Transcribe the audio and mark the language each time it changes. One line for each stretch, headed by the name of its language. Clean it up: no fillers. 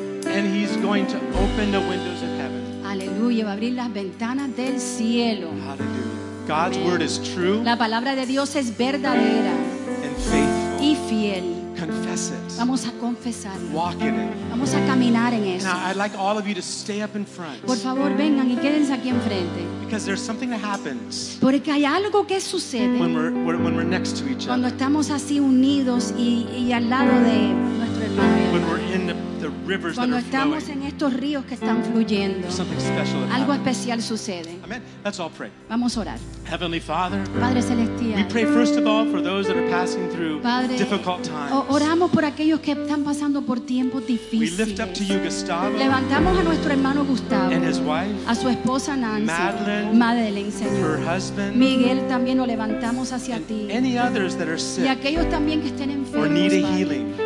English: And he's going to open the windows of heaven.
Spanish: Aleluya, va a abrir las ventanas del cielo.
English: Hallelujah. God's Amen. Word is true.
Spanish: La palabra de Dios es verdadera.
English: And faithful.
Spanish: Y fiel.
English: Confess it.
Spanish: Vamos a confesarlo.
English: Walk in it.
Spanish: Vamos a caminar en eso.
English: Now, I'd like all of you to stay up in front.
Spanish: Por favor, vengan y quédense aquí enfrente.
English: Because there's something that happens.
Spanish: Porque hay algo que sucede.
English: When we're next to each other.
Spanish: Cuando estamos así unidos y al lado de nuestro hermano. Cuando estamos en estos ríos que están fluyendo, algo especial sucede.
English: Let's all pray.
Spanish: Vamos a orar.
English: Heavenly Father,
Spanish: Padre Celestial,
English: we pray first of all for those that are passing through difficult times.
Spanish: Oramos por aquellos que están pasando por tiempos difíciles.
English: We lift up to you Gustavo,
Spanish: levantamos a nuestro hermano Gustavo,
English: and his wife,
Spanish: a su esposa Nancy,
English: Madeline,
Spanish: Señor,
English: her husband,
Spanish: Miguel, también lo levantamos hacia ti,
English: any others that are sick,
Spanish: y aquellos también que estén enfermos,
English: or need a healing,